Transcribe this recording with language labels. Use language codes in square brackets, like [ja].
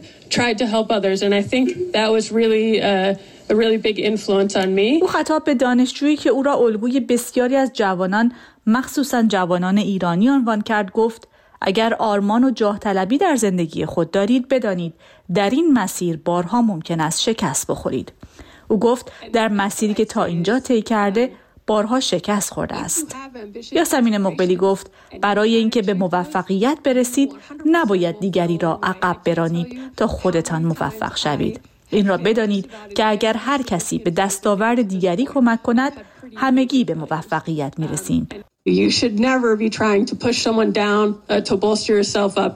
[en] Tried to help others, and I think that was really a really big influence on me. [fa] او خطاب به دانشجویی که او را الگوی بسیاری از جوانان، مخصوصاً جوانان ایرانی، عنوان کرد گفت: اگر آرمان و جاه طلبی در زندگی خود دارید، بدانید در این مسیر بارها ممکن است شکست بخورید. او گفت: در مسیری که تا اینجا طی کرده، بارها شکست خورده است. یاسمین مقبلی گفت: برای اینکه به موفقیت برسید، نباید دیگری را عقب برانید تا خودتان موفق شوید. این را بدانید که اگر هر کسی به دستاورد دیگری کمک کند، همگی به موفقیت می رسیم. [en] You should never be trying to push someone down to bolster yourself up.